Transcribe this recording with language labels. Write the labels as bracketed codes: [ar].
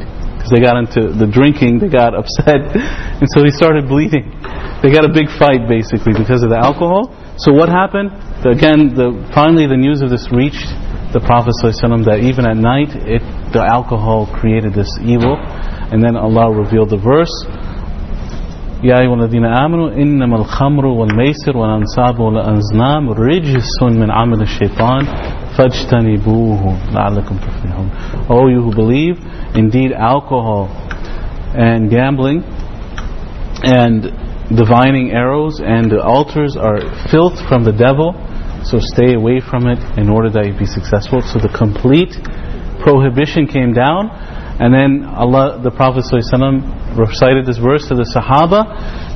[en] Because they got into the drinking, they got upset. And so he started bleeding. They got a big fight basically because of the alcohol. So what happened? Finally the news of this reached the Prophet ﷺ that even at night the alcohol created this evil. And then Allah revealed the verse, [ar] يَا أَيُّهَا الَّذِينَ آمَنُوا إِنَّمَا الْخَمْرُ وَالْمَيْسِرُ وَالْأَنْصَابُ وَالْأَزْلَامُ رِجْسٌ مِّنْ عَمَلِ الشَّيْطَانِ فَاجْتَنِبُوهُ لَعَلَّكُمْ تُفْلِحُونَ. [en] Oh, you who believe, indeed alcohol and gambling and divining arrows and the altars are filth from the devil, so stay away from it in order that you be successful. So the complete prohibition came down, and then Allah, the Prophet ﷺ, recited this verse to the Sahaba.